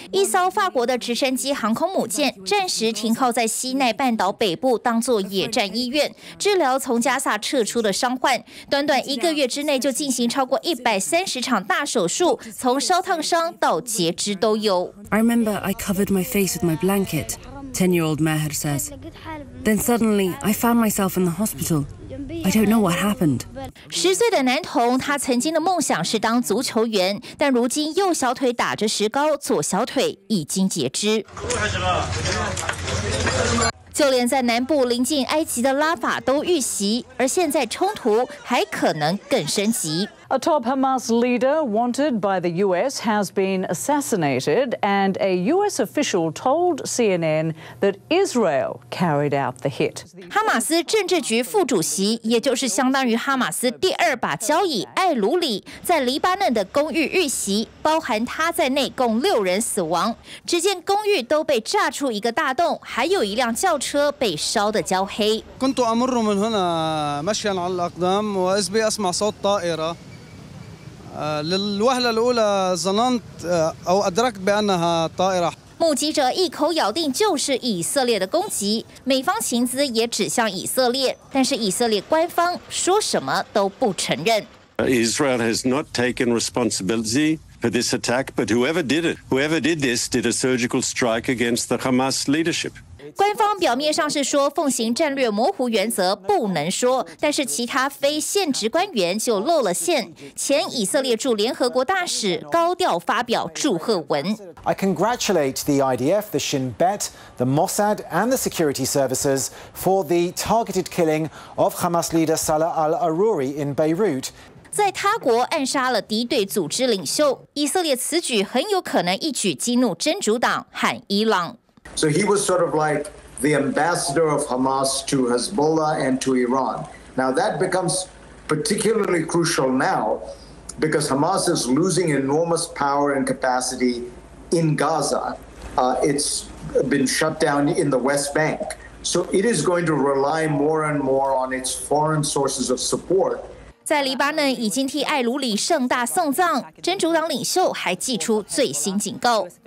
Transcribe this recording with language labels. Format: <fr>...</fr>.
<zh>一艘法国的直升机航空母舰暂时停靠在西奈半岛北部，当作野战医院治疗从加萨撤出的伤患。短短一个月之内，就进行超过130场大手术，从烧烫伤到截肢都有。</zh> <en>I remember I covered my face with my blanket. 10-year-old Maher says. Then suddenly I found myself in the hospital. I don't know what happened.</en> <zh>十岁的男童，他曾经的梦想是当足球员，但如今右小腿打着石膏，左小腿已经截肢。就连在南部临近埃及的拉法都遇袭，而现在冲突还可能更升级。</zh> <en>A top Hamas leader wanted by the U.S. has been assassinated, and a U.S. official told CNN that Israel carried out the hit.</en> <zh>哈马斯政治局副主席，也就是相当于哈马斯第二把交椅艾鲁里，在黎巴嫩的公寓遇袭，包含他在内共六人死亡。只见公寓都被炸出一个大洞，还有一辆轿车被烧得焦黑。</zh> <ar>كنت أمر من هنا مشيا على الأقدام وإذ بأسمع صوت طائرة. للوهلة الأولى ظننت أو أدركت بأنها طائرة.</ar> <zh>目击者一口咬定就是以色列的攻击，美方情资也指向以色列，但是以色列官方说什么都不承认。</zh> <en>Israel has not taken responsibility for this attack, but whoever did this did a surgical strike against the Hamas leadership.</en> <zh>官方表面上是说奉行战略模糊原则不能说，但是其他非现职官员就露了馅。前以色列驻联合国大使高调发表祝贺文。</zh> <en>I congratulate the IDF, the Shin Bet, the Mossad and the security services for the targeted killing of Hamas leader Salah al-Aruri in Beirut.</en> <zh>在他国暗杀了敌对组织领袖，以色列此举很有可能一举激怒真主党和伊朗。</zh> <en>So he was sort of like the ambassador of Hamas to Hezbollah and to Iran. Now that becomes particularly crucial now because Hamas is losing enormous power and capacity in Gaza. It's been shut down in the West Bank. So it is going to rely more and more on its foreign sources of support.</en> <zh>在黎巴嫩已经替艾鲁里盛大送葬，真主党领袖还祭出最新警告。</zh>